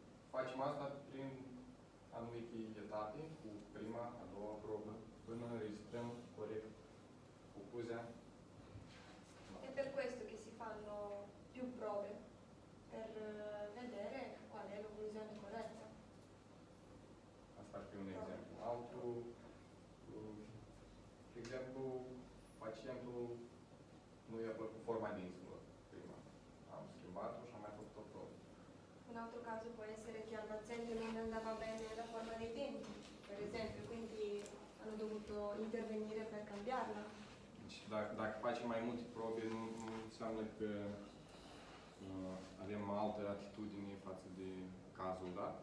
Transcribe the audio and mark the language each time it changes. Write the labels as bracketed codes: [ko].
[it] Facciamo questa prima [ro] anumite etape, cu prima, a doua probă, până registrăm corect concluzia. [it] E per questo che si fanno più prove, per vedere qual è la conclusione corretta. [ro] Asta ar fi un exemplu. Altul, de exemplu, pacientul nu i-a plăcut forma dinților prima. Am schimbat-o și am mai făcut o probă. [it] Un altro caso può essere che al paziente non andava bene la forma dei denti, per esempio, quindi hanno dovuto intervenire per cambiarla. [ro] Deci, dacă facem mai multe probe, nu înseamnă că avem altă atitudine față de cazul, da?